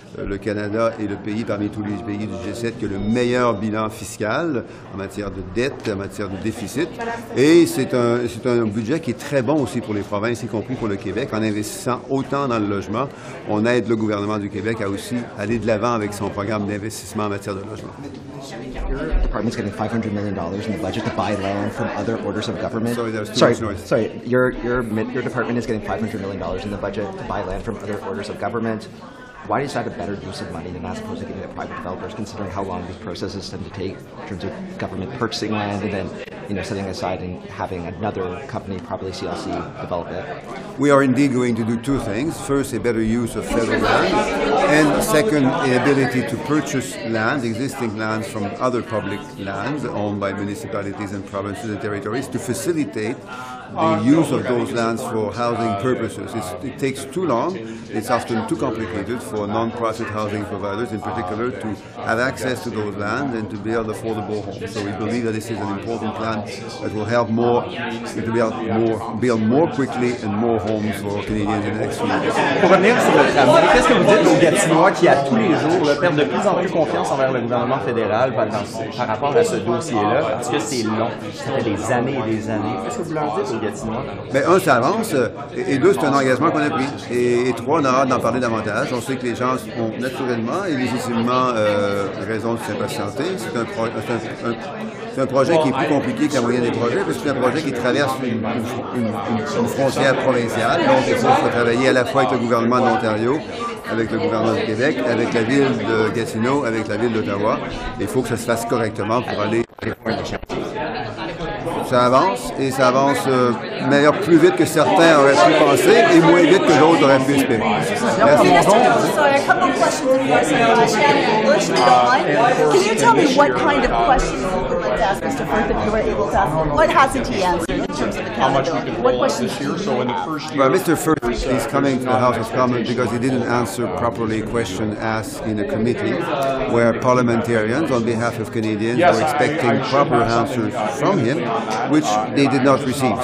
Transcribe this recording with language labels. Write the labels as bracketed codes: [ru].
[fr] Le Canada est le pays parmi tous les pays du G7 qui a le meilleur bilan fiscal en matière de dette, en matière de déficit. Et c'est un budget qui est très bon aussi pour les provinces, y compris pour le Québec. En investissant autant dans le logement, on aide le gouvernement du Québec à aussi aller de l'avant avec son programme d'investissement en matière de logement. [en] Your department's getting $500 million in the budget to buy land from other orders of government. Sorry, that was too much noise. Sorry, your department is getting $500 million in the budget to buy land from other orders of government. Why is that a better use of money than as opposed to giving it to private developers, considering how long these processes tend to take in terms of government purchasing land and then, you know, setting aside and having another company, probably CLC, develop it? We are indeed going to do two things. First, a better use of federal land, and second, an ability to purchase land, existing lands from other public lands owned by municipalities and provinces and territories to facilitate the use of those lands for housing purposes. It takes too long. It's often too complicated for non-profit housing providers in particular to have access to those lands and to build affordable homes. So we believe that this is an important plan that will help more to build more quickly and more homes for Canadians in the next few years. [fr] Pour revenir sur le tramway, qu'est-ce que vous dites aux Gatinois qui, à tous les jours, perdent de plus en plus confiance envers le gouvernement fédéral par rapport à ce dossier-là? Parce que c'est long. Ça fait des années et des années. Qu'est-ce que vous leur dites? Bien, un, ça avance, et deux, c'est un engagement qu'on a pris. Et trois, on a hâte d'en parler davantage. On sait que les gens ont naturellement et légitimement raison de s'impatienter. C'est un projet qui est plus compliqué que la moyenne des projets, parce que c'est un projet qui traverse une frontière provinciale. Donc, il faut travailler à la fois avec le gouvernement de l'Ontario, avec le gouvernement du Québec, avec la ville de Gatineau, avec la ville d'Ottawa. Il faut que ça se fasse correctement pour aller répondre à la charte. Ça avance, et ça avance meilleur, plus vite que certains auraient pu penser et moins vite que d'autres auraient pu espérer. Merci. Mr. [en] Duclos, sorry, a couple of questions for us in English, if you don't mind. Can you tell me what kind of questions you would like to ask Mr. Firth if you were able to ask him? What hasn't he answered? How much we can roll this year. So in the first year, Mr. Firth is coming to the House of Commons because he didn't answer properly a question asked in a committee where parliamentarians on behalf of Canadians were expecting proper answers from him, which they did not receive.